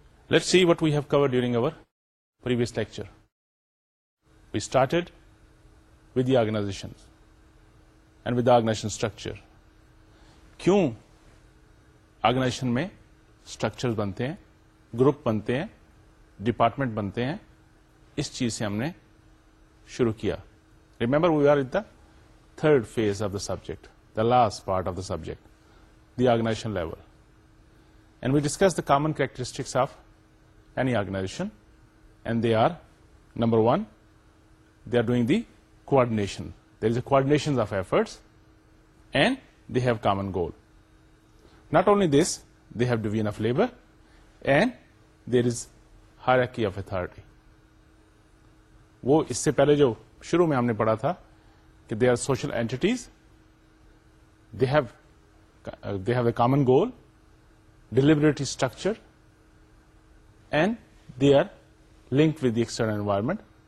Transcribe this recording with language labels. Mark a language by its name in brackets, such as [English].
[English] Let see what we have cover during our previous lecture. We started with the organisation and with organisation structure. [Urdu] کیوں organization میں structure بنتے ہیں، group بنتے ہیں، department بنتے ہیں، اس چیز سے ہم نے شروع کیا. [English] Remember we are in the third phase of the subject, the last part of the subject, the organisation level. And we discuss the common characteristics of any organisation, and they are number one, they are doing the coordination. There is a coordination of efforts and they have common goal. Not only this, they have division of labor and there is hierarchy of authority. [Urdu] Woh isse pehle jo shuru mein humne padha tha ki [English] they are social entities, they have a common goal, deliberative structure, and they are linked with the external environment.